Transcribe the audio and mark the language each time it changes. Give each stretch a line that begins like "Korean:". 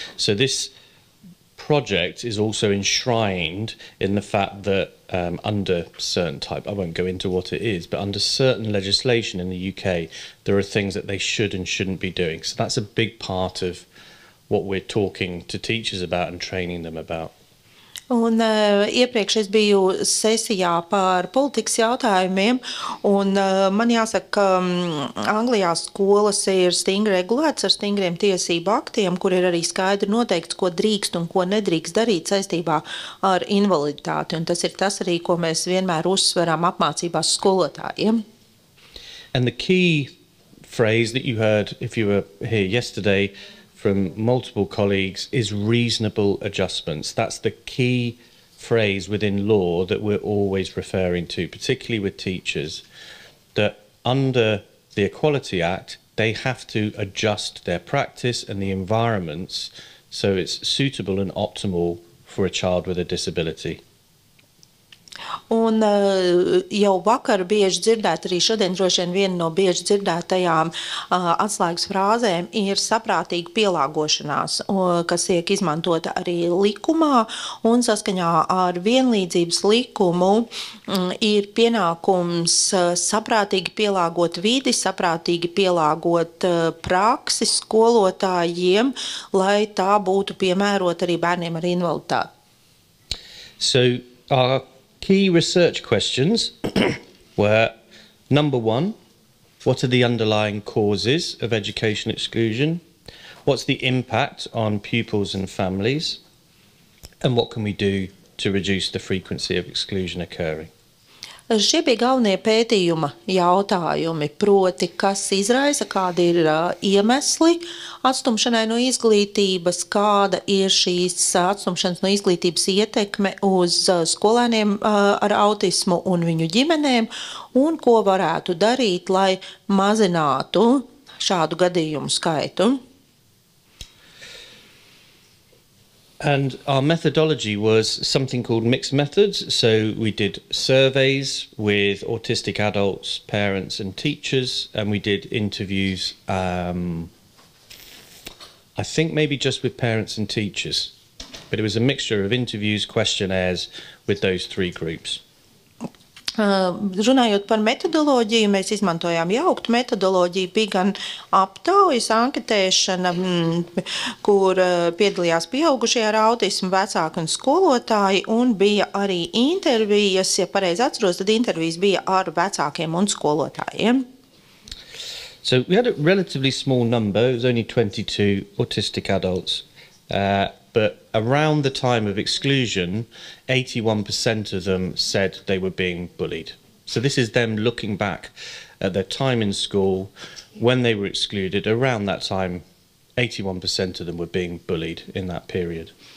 English: So this project is also enshrined in the fact that under certain type, I won't go into what it is, but under certain legislation in the UK, there are things that they should and shouldn't be doing. So that's a big part of what we're talking to teachers about and training them about.
Latvian: Un iepriekš es biju sesijā par politikas jautājumiem, un man jāsaka, ka Anglijā skolas ir stingri regulētas ar stingriem tiesību aktiem, kur ir arī skaidri noteikts, ko drīkst un ko nedrīkst darīt saistībā ar invaliditāti. Un tas ir tas arī, ko mēs vienmēr uzsveram apmācībās skolotājiem.
English: And the key phrase that you heard, if you were here yesterday, from multiple colleagues is reasonable adjustments. That's the key phrase within law that we're always referring to, particularly with teachers, that under the Equality Act, they have to adjust their practice and the environments so it's suitable and optimal for a child with a disability.
Latvian: Un jau vakar bieži dzirdēt, arī šodien droši vien viena no bieži dzirdētajām atslēgas frāzēm ir saprātīga pielāgošanās, kas tiek izmantota arī likumā, un saskaņā ar vienlīdzības likumu ir pienākums saprātīgi pielāgot vidi, saprātīgi pielāgot praksi skolotājiem, lai tā būtu piemērota arī bērniem ar invaliditāti.
English: So, key research questions were, number one, what are the underlying causes of education exclusion? What's the impact on pupils and families? And what can we do to reduce the frequency of exclusion occurring?
Latvian: Šie bija galvenie pētījuma jautājumi, proti, kas izraisa, kādi ir iemesli atstumšanai no izglītības, kāda ir šīs atstumšanas no izglītības ietekme uz skolēniem ar autismu un viņu ģimenēm, un ko varētu darīt, lai mazinātu šādu gadījumu skaitu.
English: And our methodology was something called mixed methods. So we did surveys with autistic adults, parents and teachers, and we did interviews, I think maybe just with parents and teachers. But it was a mixture of interviews, questionnaires with those three groups.
Latvian: Runājot par metodoloģiju, mēs izmantojām jauktu metodoloģiju, bija gan aptaujas, anketēšana, kur piedalījās pieaugušie ar autismu, vecāki un skolotāji, un bija arī intervijas, ja pareizi atceros, tad intervijas bija ar vecākiem un skolotājiem.
English: So we had a relatively small number, it was only 22 autistic adults, but around the time of exclusion, 81% of them said they were being bullied. So this is them looking back at their time in school, when they were excluded, around that time, 81% of them were being bullied in that period.